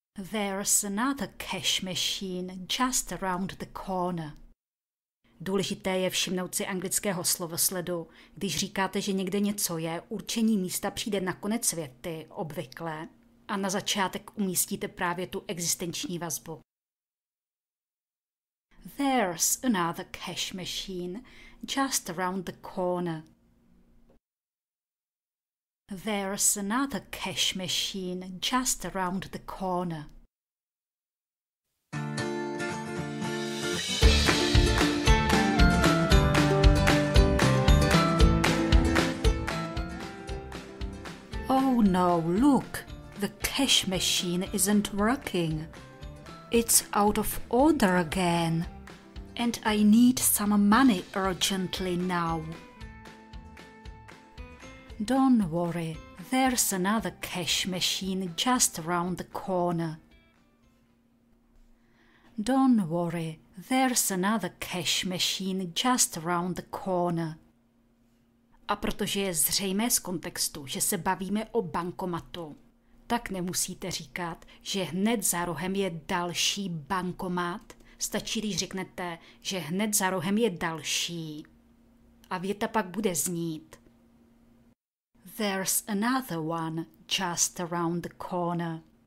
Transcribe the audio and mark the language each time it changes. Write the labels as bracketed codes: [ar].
[en] There's another cash machine just around the corner. [cs] Důležité je všimnout si anglického slovosledu. Když říkáte, že někde něco je, určení místa přijde na konec věty, obvykle. A na začátek umístíte právě tu existenční vazbu. [en] There's another cash machine just around the corner. There's another cash machine just around the corner. Oh no, look, the cash machine isn't working. It's out of order again. And I need some money urgently now. Don't worry, there's another cash machine just around the corner. Don't worry, there's another cash machine just around the corner. [cs] A protože je zřejmé z kontextu, že se bavíme o bankomatu, tak nemusíte říkat, že hned za rohem je další bankomat. Stačí, když řeknete, že hned za rohem je další. A věta pak bude znít. [en] There's another one just around the corner.